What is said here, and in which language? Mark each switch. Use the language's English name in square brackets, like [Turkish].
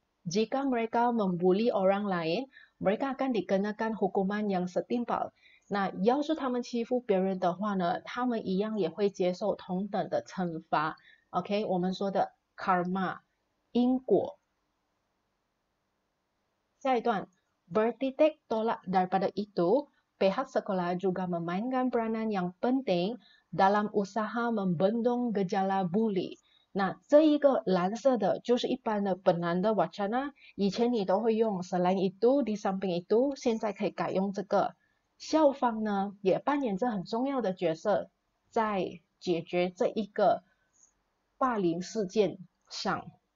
[Malay] Jika mereka membuli orang lain, mereka akan dikenakan hukuman yang setimpal. [Chinese] Nah, 要是他们欺负别人的话呢，他们一样也会接受同等的惩罚。 OK，我们说的 karma，因果。下一段， [Malay] bertitik tolak daripada itu, pihak sekolah juga memainkan peranan yang penting dalam usaha membendung gejala buli. [Chinese] 那这一个蓝色的，就是一般的本来的 wacana，以前你都会用 [Malay] selain itu di samping itu， [Chinese] 现在可以改用这个。校方呢，也扮演着很重要的角色，在解决这一个霸凌事件上。